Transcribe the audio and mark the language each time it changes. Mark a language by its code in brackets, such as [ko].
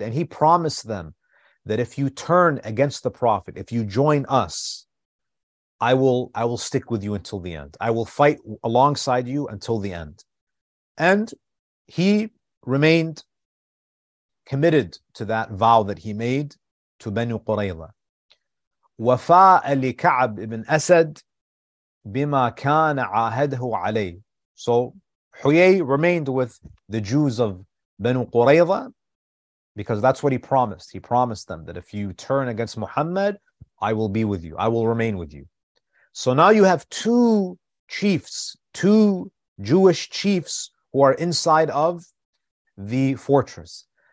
[en] And he promised them that if you turn against the Prophet, if you join us, I will stick with you until the end. I will fight alongside you until the end. And he remained committed to that vow that he made to Banu Qurayza. [ar] وَفَاءَ لِكَعْبِ ibn Asad بِمَا كَانَ عَاهَدْهُ عَلَيْهِ. [en] So Huyay remained with the Jews of Banu Qurayza because that's what he promised. He promised them that if you turn against Muhammad, I will be with you. I will remain with you. So now you have two chiefs, two Jewish chiefs who are inside of the fortress.